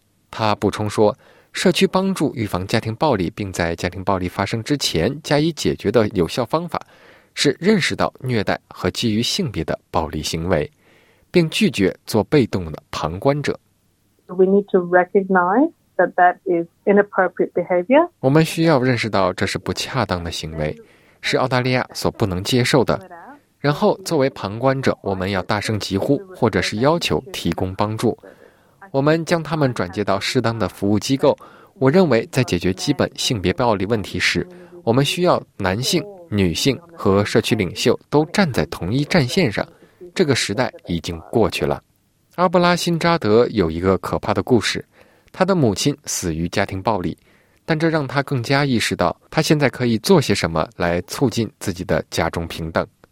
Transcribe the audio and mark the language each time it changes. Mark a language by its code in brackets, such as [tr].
[zh] 他补充说，社区帮助预防家庭暴力并在家庭暴力发生之前加以解决的有效方法是认识到虐待和基于性别的暴力行为，并拒绝做被动的旁观者。 [en] We need to recognize that that is inappropriate behavior. [zh] 我们需要认识到这是不恰当的行为，是澳大利亚所不能接受的。然后作为旁观者，我们要大声疾呼或者是要求提供帮助。我们将他们转接到适当的服务机构。我认为在解决基本性别暴力问题时，我们需要男性、女性和社区领袖都站在同一战线上，这个时代已经过去了。阿布拉辛扎德有一个可怕的故事，他的母亲死于家庭暴力，但这让他更加意识到他现在可以做些什么来促进自己的家中平等。